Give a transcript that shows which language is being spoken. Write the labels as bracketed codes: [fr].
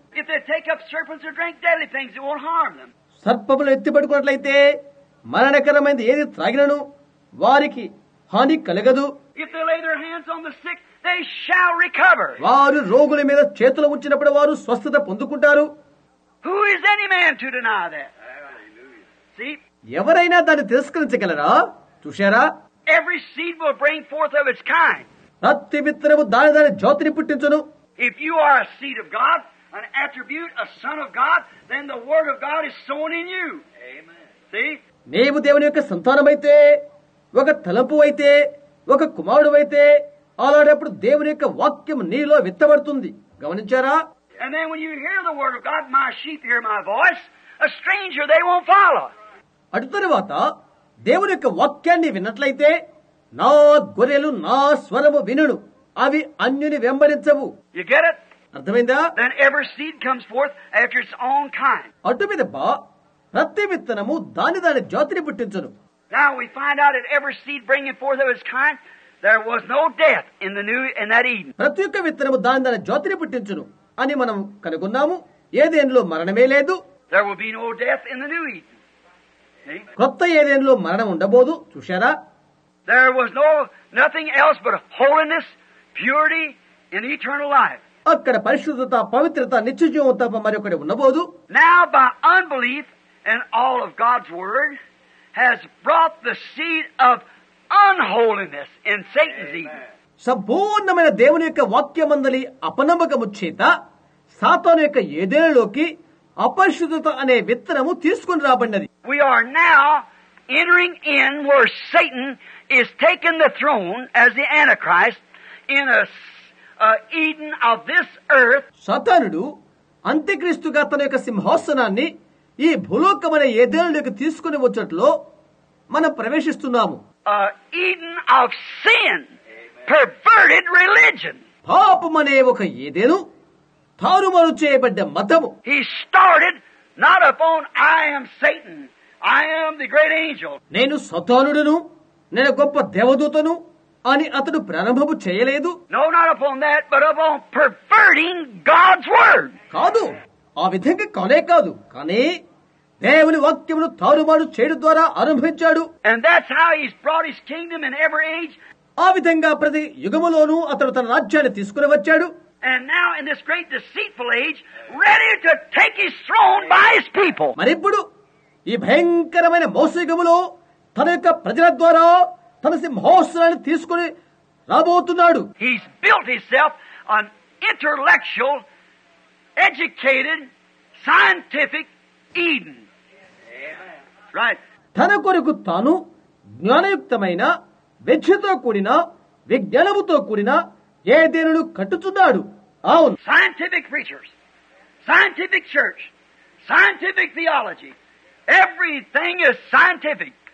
[en] If they take up serpents or drink deadly things, it won't harm them. [te] సర్పములు ఎత్తిపట్టుకున్నట్లయితే మరణకరమైనది ఏది త్రాగినను వారికి హాని కలగదు. [en] If they lay their hands on the sick, they shall recover. [te] వారు రోగుల మీద చేతులు ఉంచినప్పుడు వారు స్వస్థత పొందుకుంటారు. [en] Who is any man to deny that? Hallelujah. See? [te] ఎవరైనా దాన్ని తిరస్కరించగలరా? చూశారా? [en] Every seed will bring forth of its kind. [te] ప్రతి విత్తనము దాని దాని జాతిని పుట్టించును. [en] If you are a seed of God, an attribute, a son of God, then the word of God is sown in you. Amen. See? [te] నీవు దేవుని యొక్క సంతానమైతే, ఒక తలంపు అయితే, ఒక కుమారుడు అయితే, అలాంటప్పుడు దేవుని యొక్క వాక్యం నీలో విత్తబడుతుంది. గమనించారా? [en] And then when you hear the word of God, my sheep hear my voice, a stranger they won't follow. [te] అటు తరువాత దేవుని యొక్క వాక్యాన్ని విన్నట్లయితే నా గొర్రెలు నా స్వరము వినును, అవి అన్యుని వెంబడించవు. [en] You get it? [te] అర్థమైందా? [en] Then every seed comes forth after its own kind. [te] అటు మీద బా, ప్రతి విత్తనము దాని దాని జాతిని పుట్టించును. [en] Now we find out that every seed bringing forth of its kind, there was no death in the new in that Eden. [te] ప్రతి ఒక్క విత్తనము దాని దాని జాతిని పుట్టించును అని మనం కనుగొన్నాము. ఏదేనిలో మరణమే లేదు. [en] There will be no death in the new Eden. [te] కొత్త ఏదేనిలో మరణం ఉండబోదు. చూశారా? [en] There was no nothing else but holiness, purity and eternal life. [te] అక్కడ పరిశుద్ధత, పవిత్రత, నిత్యజీవం తప్ప మరొకటి ఉండబోదు. [en] Now by unbelief and all of God's word has brought the seed of unholiness in Satan's Eden. [te] సంపూర్ణమైన దేవుని యొక్క వాక్యమందలి అపనమ్మకము చేత సాతాను యొక్క ఏదేనలోకి అపరిశుద్ధత అనే విత్తనము తీసుకుని రాబడినది. [en] We are now entering in where Satan is taking the throne as the Antichrist in a Eden of this earth. [te] సాతానుడు అంత్యక్రీస్తుగా తన యొక్క సింహాసనాన్ని ఈ భూలోకమనే ఏదేనలోకి తీసుకుని వచ్చట్లో మనం ప్రవేశిస్తున్నాము. [en] Eden of sin, perverted religion. [te] పాపం అనే ఒక ఏదేను తారుమారు చేయబడ్డ మతము. [en] He started not upon I am Satan, I am the great angel. [te] నేను సతానుడను, నేను గొప్ప దేవదూతను అని అతడు ప్రారంభము చేయలేదు. [en] No, not upon that, but upon perverting God's word. [te] కాదు, ఆ విధంగా కానే కాదు, కానీ దేవుని వాక్యమును తారుమారు చేయడం ద్వారా ఆరంభించాడు. [en] And that's how he's brought his kingdom in every age. [te] ఆ విధంగా ప్రతి యుగములోనూ అతడు తన రాజ్యాన్ని తీసుకుని వచ్చాడు. [en] And now in this great deceitful age, ready to take his throne by his people. [te] మరి ఇప్పుడు ఈ భయంకరమైన మోసయుగములో తన యొక్క ప్రజల ద్వారా తన సింహాసనాన్ని తీసుకుని రాబోతున్నాడు. [en] He's built himself an intellectual, educated, scientific Eden. Right. [te] తన కొరకు తాను జ్ఞానయుక్తమైన, విద్యతో కూడిన, విజ్ఞానముతో కూడిన ఏదేనును కట్టుచున్నాడు. అవును, [en] Scientific preachers, scientific church, scientific theology, everything is scientific.